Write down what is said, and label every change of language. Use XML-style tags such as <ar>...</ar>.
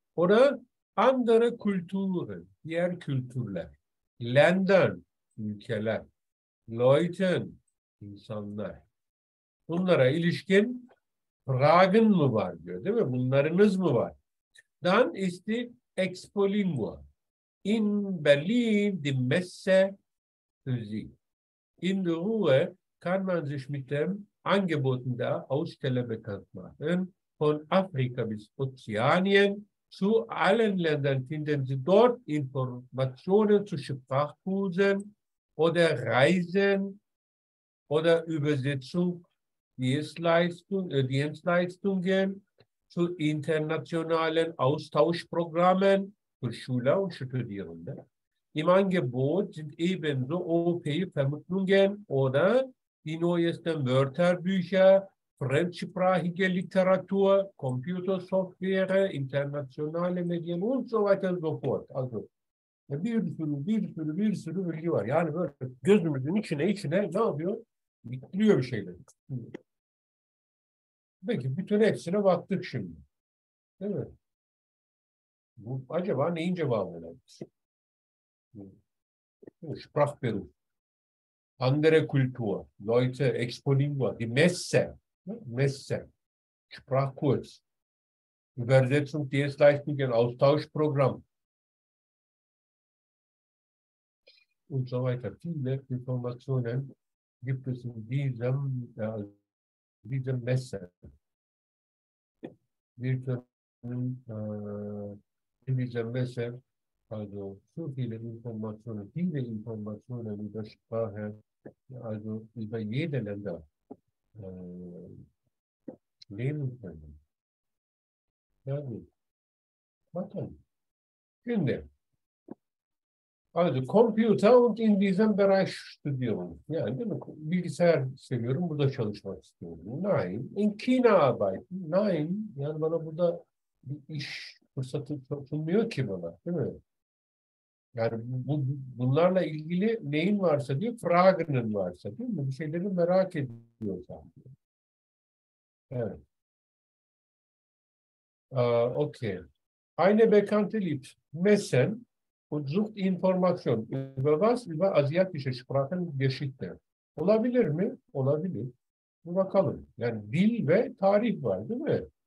<de>Oder andere Kulturen,</de> <tr>diğer kültürler.</tr> <de>Länder, ülkeler. Leuten, insanlar.</de> <tr>Bunlara ilişkin Fragen mi var diyor, değil mi? Bunlarınız mı var?</tr> <de>Dann ist die Expolingua. In Berlin die Messe für Sie. In der Ruhe kann man sich mit dem Angeboten der Aussteller bekannt machen. von Afrika bis Ozeanien zu allen Ländern finden Sie dort Informationen zu Sprachkursen oder Reisen oder Übersetzungsdienstleistungen zu internationalen Austauschprogrammen für Schüler und Studierende. Im Angebot sind ebenso OP-Vermittlungen oder die neuesten Wörterbücher, fremdsprachige Literatur, Computersoftware, internationale Medien und so weiter und so fort.</de> <tr>Also bir sürü bilgi var. Yani böyle gözümüzün içine ne yapıyor? Bitiriyor bir şeyler. Peki bütün hepsine baktık şimdi. Değil mi? Bu acaba neyin cevabı olabilir?</tr> <de>Sprachbildung, andere Kultur, Leute, Exponimua, die Messe, Sprachkurs, Übersetzung, Dienstleistungen, Austauschprogramm und so weiter. Viele Informationen gibt es in diesem Messe. Wir können in diesem Messe also so viele Informationen über Sprache, also über jede Länder nehmen können. Ja gut. Warten. Schöne. Also Computer und in diesem Bereich studieren.</de> <tr>Ja, değil mi? Bilgisayar seviyorum, burada çalışmak istiyorum. Nein.</tr> <de>In China arbeiten. Nein.</de> <tr>Yani bana burada bir iş fırsatı sunmuyor ki bana. Değil mi? Yani bunlarla ilgili neyin varsa diyor, Fragen'in varsa değil mi? Bir şeyleri merak ediyor sanki. Evet.</tr> <de>Okay. Eine bekannte Liebe. Messen und sucht Information. Über was? Über asiatische Sprachen Geschichte.</de> <tr>Olabilir mi? Olabilir. Bir bakalım. Yani dil ve tarih var değil mi?</tr>